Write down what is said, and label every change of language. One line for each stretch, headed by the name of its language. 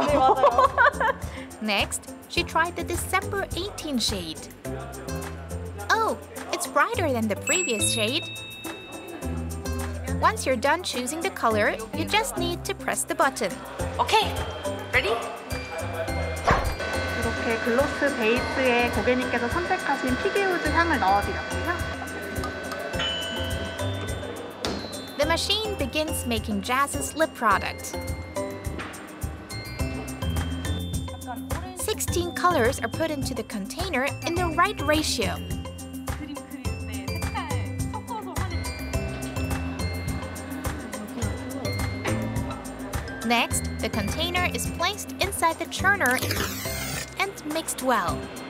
Korean: 네, 맞아요.
English: Next, she tried the December 18 shade. Oh, it's brighter than the previous shade. Once you're done choosing the color, you just need to press the button. Okay, ready?
Korean: 이렇게 글로스 베이스에 고객님께서 선택하신 피겨우드 향을 넣어드렸고요.
English: The machine begins making Jazz's lip product. 16 colors are put into the container in the right ratio. Green, green,
Korean: 네, 색깔 섞어서 하는 거.
English: Next, the container is placed inside the churner and mixed well.